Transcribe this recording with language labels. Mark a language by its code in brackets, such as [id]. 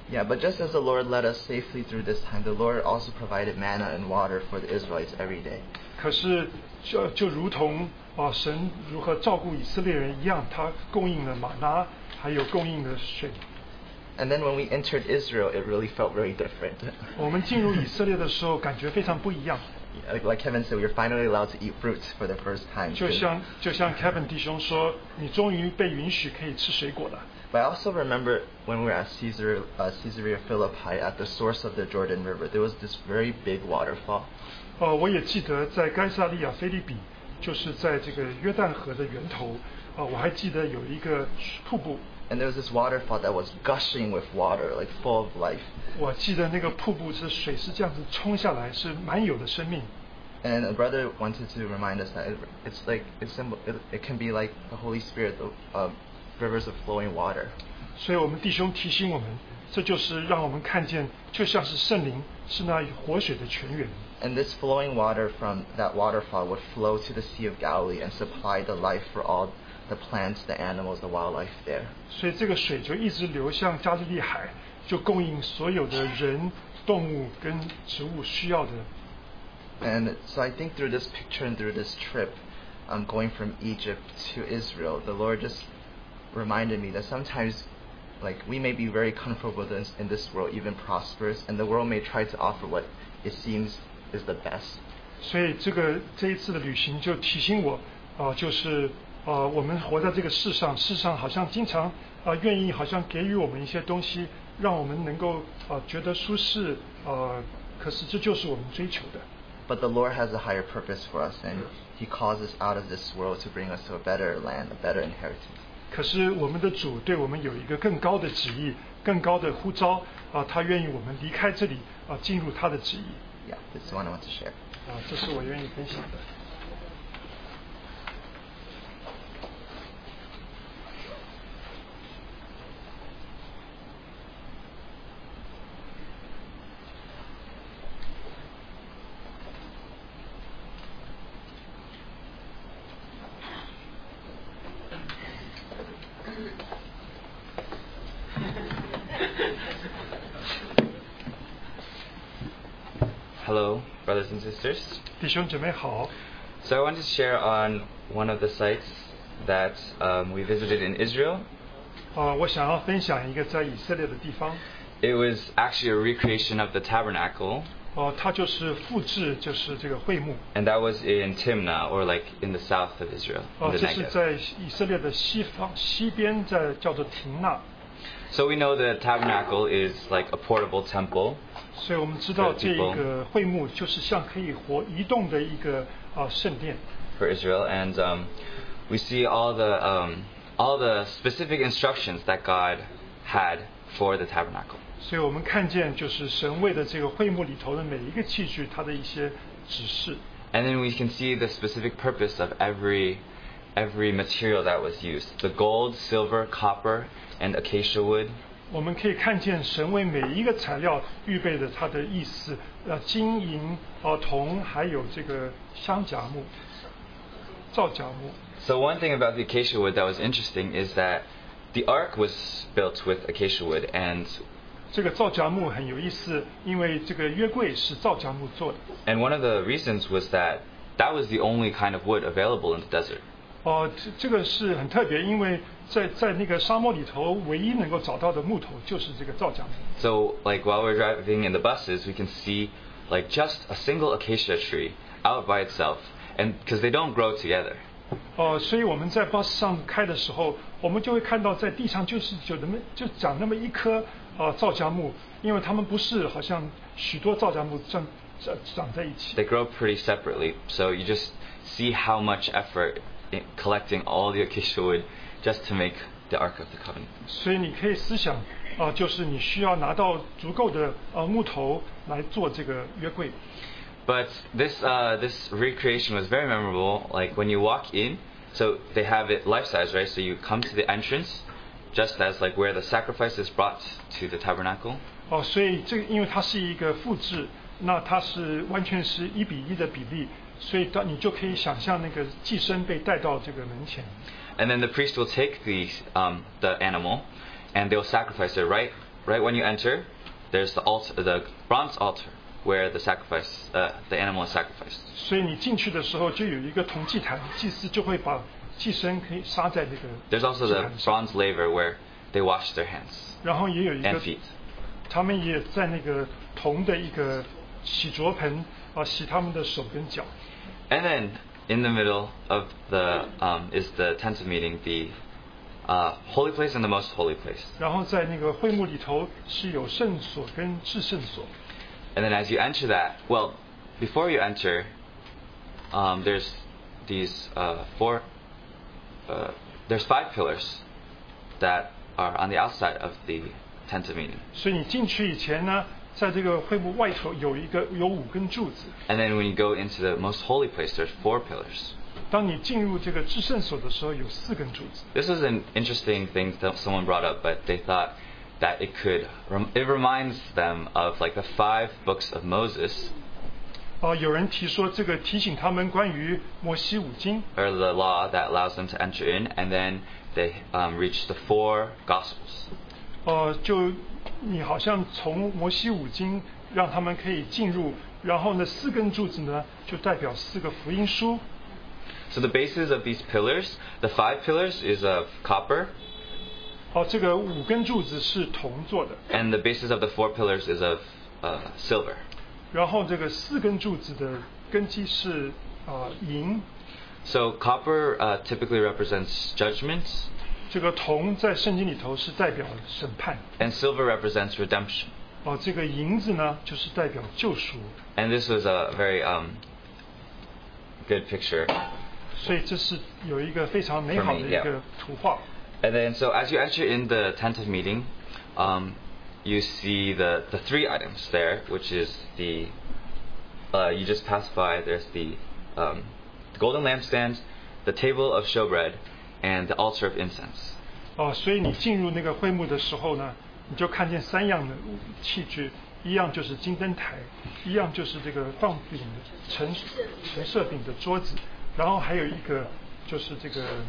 [en] Yeah, but just as the Lord led us safely through this time, the Lord also provided manna and water for the Israelites every day. [zh] 可是就如同神如何照顾以色列人一样，他供应了玛拿，还有供应了水。 [en] And then when we entered Israel, it really felt very different. [zh] 我们进入以色列的时候，感觉非常不一样。 [en] Like Kevin said, we're finally allowed to eat fruits for the first time. [zh] 就像 Kevin 弟兄说，你终于被允许可以吃水果了。 [en] But I also remember when we were at Caesarea Philippi at the source of the Jordan River, there was this very big waterfall. [zh] 我也记得在该撒利亚菲利比，就是在这个约旦河的源头，我还记得有一个瀑布。 [en] And there was this waterfall that was gushing with water, like full of life. [zh] 我记得那个瀑布是水是这样子冲下来，是满有的生命。 [en] And a brother wanted to remind us that it can be like the Holy Spirit, the rivers of flowing water. [zh] 所以我们弟兄提醒我们，这就是让我们看见，就像是圣灵，是那活水的泉源。 [en] And this flowing water from that waterfall would flow to the Sea of Galilee and supply the life for all. The plants, the animals, the wildlife there. [zh] 所以这个水就一直流向加利利海，就供应所有的人、动物跟植物需要的。 [en] And so I think through this picture and through this trip, going from Egypt to Israel, the Lord just reminded me that sometimes, like we may be very comfortable in this world, even prosperous, and the world may try to offer what it seems is the best. [zh] 所以这一次的旅行就提醒我，就是。我们活在这个世上好像经常愿意好像给予我们一些东西，让我们能够觉得舒适，可是这就是我们追求的。 [en] But the Lord has a higher purpose for us, and He calls us out of this world to bring us to a better land, a better inheritance. [zh] 可是我们的主对我们有一个更高的旨意，更高的呼召，他愿意我们离开这里，进入他的旨意。 [en] Yeah, this is what I want to share. [zh] 这是我愿意分享的。 [en] Hello, brothers and sisters. [zh] 弟兄姐妹好。 [en] So I want to share on one of the sites that we visited in Israel. [zh] 我想要分享一个在以色列的地方。 [en] It was actually a recreation of the tabernacle. [zh] 他就是复制就是这个会幕。 [en] And that was in Timnah, or like in the south of Israel, in the Negev. [zh] 这是在以色列的西方西边，在叫做亭纳。 [en] So we know the tabernacle is like a portable temple. [zh] 所以我们知道这个会幕就是像可以活移动的一个圣殿。 [en] For Israel, and we see all the specific instructions that God had for the tabernacle. [zh] 所以我们看见就是神为的这个会幕里头的每一个器具，它的一些指示。 [en] And then we can see the specific purpose of every material that was used: the gold, silver, copper, and acacia wood. [zh] 我们可以看见神为每一个材料预备的它的意思，金银、铜，还有这个香荚木。 [en] So one thing about the acacia wood that was interesting is that the ark was built with acacia wood, and [zh] 这个造荚木很有意思，因为这个约柜是造荚木做的。 [en] And one of the reasons was that that was the only kind of wood available in the desert. [zh] 这个是很特别，因为在那个沙漠里头，唯一能够找到的木头就是这个造荚木。 [en] So like while we're driving in the buses, we can see like just a single acacia tree out by itself. And because they don't grow together. [zh] 所以我们在巴士上开的时候，我们就会看到在地上就是就那么就长那么一棵造荚木，因为它们不是好像许多造荚木长在一起。 [en] They grow pretty separately, so you just see how much effort in collecting all the acacia wood just to make the Ark of the Covenant. [zh] 所以你可以思想，就是你需要拿到足够的木头来做这个约柜。 [en] But this recreation was very memorable. Like when you walk in, so they have it life size, right? So you come to the entrance, just as like where the sacrifice is brought to the tabernacle. [zh] 所以这个因为它是一个复制，那它是完全是一比一的比例，所以你就可以想象那个祭牲被带到这个门前。 [en] And then the priest will take the animal, and they'll sacrifice it right when you enter. There's the altar, the bronze altar. Where the animal is sacrificed. [zh] 所以你进去的时候就有一个铜祭坛，祭司就会把祭牲可以杀在那个。 [en] There's also the bronze laver where they wash their hands. [zh] 然后也有一个。他们也在那个铜的一个洗濯盆洗他们的手跟脚。 [en] And then in the middle of the is the tent of meeting, the holy place and the most holy place. [zh] 然后在那个会幕里头是有圣所跟至圣所。 [en] And then as you enter that, well, before you enter, there's these there's five pillars that are on the outside of the tent of meeting. [zh] 所以你进去以前呢，在这个会幕外头有一个有五根柱子。 [en] And then when you go into the most holy place, there's four pillars. [zh] 当你进入这个至圣所的时候，有四根柱子。 [en] This is an interesting thing that someone brought up, but they thought. That it could, it reminds them of like the five books of Moses. [zh] 有人提说这个提醒他们关于摩西五经。 [en] Or the law that allows them to enter in, and then they reach the four gospels. [zh] 就你好像从摩西五经让他们可以进入，然后呢四根柱子呢就代表四个福音书。 [en] So the basis of these pillars, the five pillars, is of copper. [zh] 这个五根柱子是铜做的。 [en] And the basis of the four pillars is of silver. [zh] 然后这个四根柱子的根基是银。 [en] So copper typically represents judgments. [zh] 这个铜在圣经里头是代表审判。 [en] And silver represents redemption. [zh] 这个银子呢就是代表救赎。 [en] And this was a very good picture. [zh] 所以这是有一个非常美好的一个图画。 [en] And then, so as you enter in the tent of meeting, you see the three items there, which is the, you just pass by, there's the golden lampstand, the table of showbread, and the altar of incense. [zh] 所以你进入那个会幕的时候呢，你就看见三样的器具，一样就是金灯台，一样就是这个放饼的陈设饼的桌子，然后还有一个就是这个。